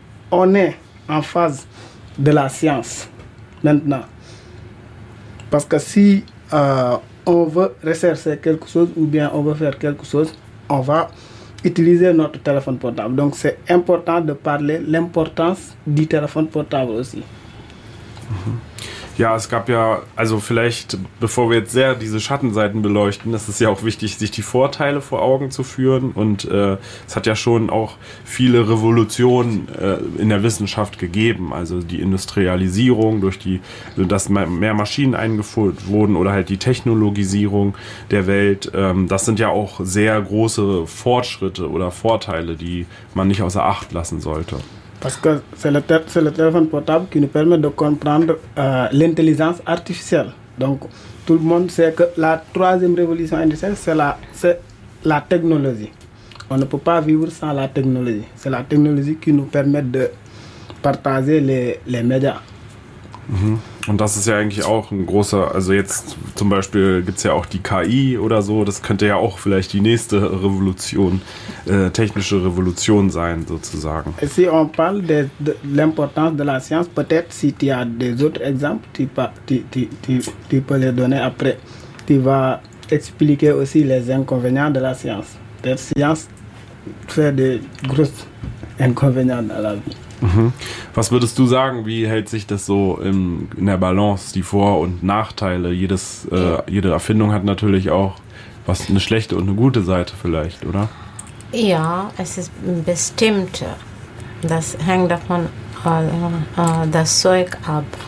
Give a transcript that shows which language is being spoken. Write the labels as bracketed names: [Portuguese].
[French] on est en phase de la science maintenant. Parce que si on veut rechercher quelque chose ou bien on veut faire quelque chose, on va utiliser notre téléphone portable. Donc c'est important de parler l'importance du téléphone portable aussi. [German] Ja, es gab ja, also vielleicht, bevor wir jetzt sehr diese Schattenseiten beleuchten, das ist ja auch wichtig, sich die Vorteile vor Augen zu führen. Und es hat ja schon auch viele Revolutionen in der Wissenschaft gegeben. Also die Industrialisierung, durch die, dass mehr Maschinen eingeführt wurden oder halt die Technologisierung der Welt. Das sind ja auch sehr große Fortschritte oder Vorteile, die man nicht außer Acht lassen sollte. [French] Parce que c'est le téléphone portable qui nous permet de comprendre l'intelligence artificielle. Donc, tout le monde sait que la troisième révolution industrielle, c'est la technologie. On ne peut pas vivre sans la technologie. C'est la technologie qui nous permet de partager les médias. [German] Und das ist ja eigentlich auch ein großer, also jetzt zum Beispiel gibt es ja auch die KI oder so, das könnte ja auch vielleicht die nächste Revolution, technische Revolution sein, sozusagen. [French] Si on parle de l'importance de la science, peut-être si tu as des autres exemples, tu peux les donner après. Tu vas expliquer aussi les inconvénients de la science. La science fait des gros inconvénients dans la vie. [German] Was würdest du sagen, wie hält sich das so in der Balance, die Vor- und Nachteile? Jede Erfindung hat natürlich auch was, eine schlechte und eine gute Seite vielleicht, oder? Ja, es ist bestimmt, das hängt davon das Zeug ab.